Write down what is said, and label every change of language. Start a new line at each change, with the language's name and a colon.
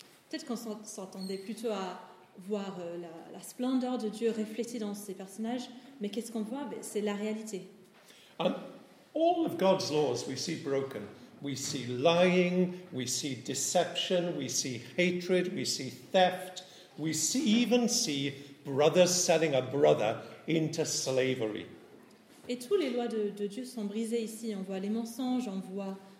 French: Peut-être qu'on s'attendait plutôt à voir la splendeur de Dieu reflétée dans ces personnages, mais qu'est-ce qu'on voit? C'est la réalité.
English: And all of God's laws we see broken. We see lying, we see deception, we see hatred, we see theft, we even see brothers selling a brother into slavery.
French: Et toutes les lois de Dieu sont brisées ici. On voit les mensonges, on voit...